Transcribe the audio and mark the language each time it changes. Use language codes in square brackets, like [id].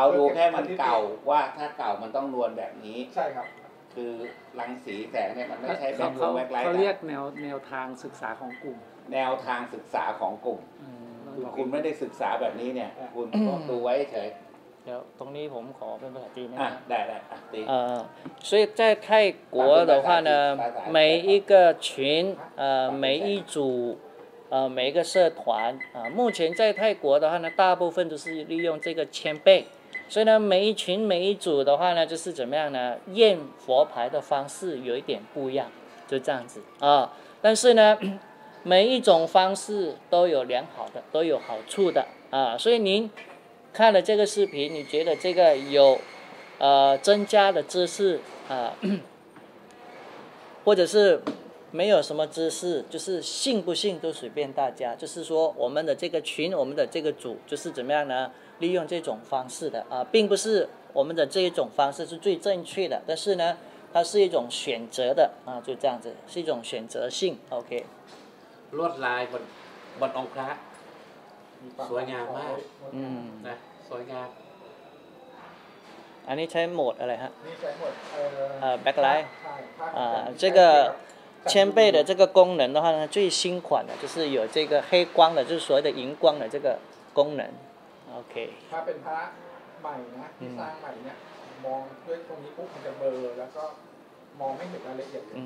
[th] เราดูแค่มันเก่าว่าถ้าเก่ามันต้องนวลแบบนี้ใช่ครับ คือรังสีแสงเนี่ยมันไม่ใช่แบบ เขาเรียกแนวทางศึกษาของกลุ่ม แนวทางศึกษาของกลุ่ ม คุณไม่ได้ศึกษาแบบนี้เนี่ยคุณต้องดูไว้เฉย เดี๋ยวตรงนี้ผมขอเป็นภาษาจีนนะ ครับได้ [zh] 所以在泰国的话呢每一个群每一组每一个社团目前在泰国的话呢大部分都是利用这个签背所以呢每一群每一组的话呢就是怎么样呢验佛牌的方式有一点不一样就这样子但是呢每一种方式都有良好的都有好处的所以您看了这个视频你觉得这个有增加的知识或者是没有什么知识就是信不信都随便大家就是说我们的这个群我们的这个组就是怎么样呢利用这种方式的并不是我们的这一种方式是最正确的但是呢它是一种选择的就这样子是一种选择性 OK [th] ลวดลายบนองค์พระสวยงามมากนะสวยงาม อันนี้ใช้โหมดอะไรฮะ นี่ใช้โหมด [zh] แบ็คไลท์这个千倍的这个功能的话呢最新款的就是有这个黑光的就是所谓的荧光的这个功能 OK [th] ถ้าเป็นพระใหม่นะที่สร้างใหม่เนี่ยมองด้วยตรงนี้ปุ๊บมันจะเบลอแล้วก็มองไม่เห็นรายละเอียด